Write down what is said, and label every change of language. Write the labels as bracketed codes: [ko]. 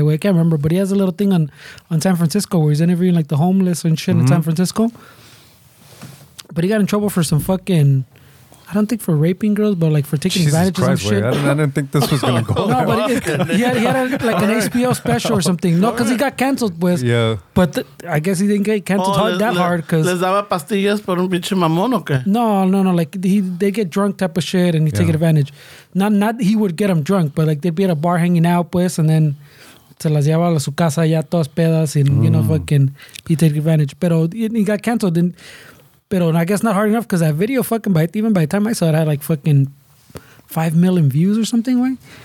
[en] I can't remember, but he has a little thing on San Francisco where he's interviewing like the homeless and shit in San Francisco. But he got in trouble for some fucking, I don't think for raping girls, but like for taking advantage of some shit. I didn't think this was going to go. No, but he had an HBO special or something. No, because he got canceled, pues. Yeah. But I guess he didn't get canceled hard. Cause [es] les daba pastillas por un pinche mamón o qué? [en] No. Like they get drunk type of shit and you take advantage. Not he would get them drunk, but like they'd be at a bar hanging out, pues, and then [es] se las llevaba a su casa ya todas pedas [en] and, you know, fucking, he'd take advantage. [es] Pero [en] he got canceled and... But I guess not hard enough because that video fucking, by the time I saw it, had like fucking 5 million views or something, güey.